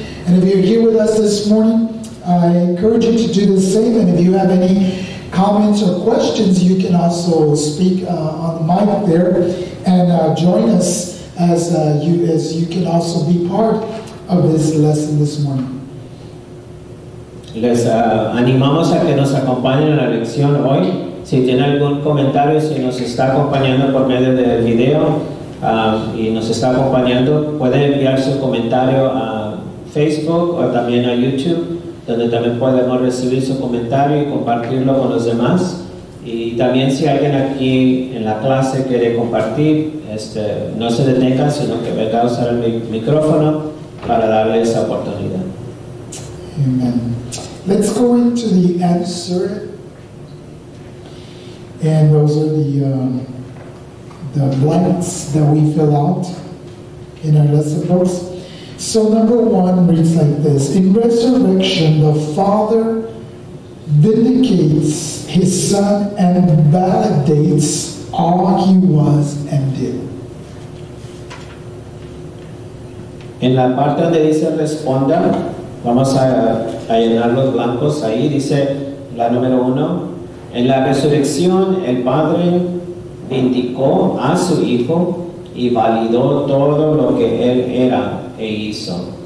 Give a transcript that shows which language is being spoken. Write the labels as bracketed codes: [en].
[en] And if you're here with us this morning, I encourage you to do the same. And if you have any comments or questions, you can also speak on the mic there and join us as you can also be part of this lesson this morning. [es] Les animamos a que nos acompañen a la lección hoy. Si tiene algún comentario, si nos está acompañando por medio del video y nos está acompañando, puede enviar su comentario a Facebook o también a YouTube, donde también podemos recibir su comentario y compartirlo con los demás. Y también si alguien aquí en la clase quiere compartir, no se detenga, sino que venga a usar el micrófono para darle esa oportunidad. Amen. [en] Let's go into the answer, and those are the blanks that we fill out in our lesson books. So number one reads like this: in resurrection, the Father vindicates His Son and validates all He was and did. [es] En la parte donde dice responda, vamos a llenar los blancos ahí. Dice la número uno: en la resurrección el Padre vindicó a su Hijo y validó todo lo que Él era e hizo.